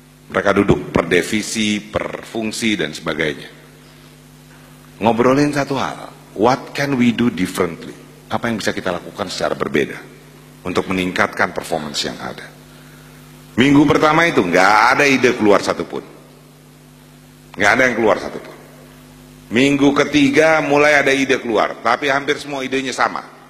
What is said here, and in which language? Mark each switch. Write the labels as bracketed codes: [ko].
[id] Mereka duduk per divisi, per fungsi, dan sebagainya. Ngobrolin satu hal, [en] what can we do differently? [id] Apa yang bisa kita lakukan secara berbeda untuk meningkatkan performance yang ada. Minggu pertama itu gak ada ide keluar satupun. Gak ada yang keluar satupun. Minggu ketiga mulai ada ide keluar, tapi hampir semua idenya sama.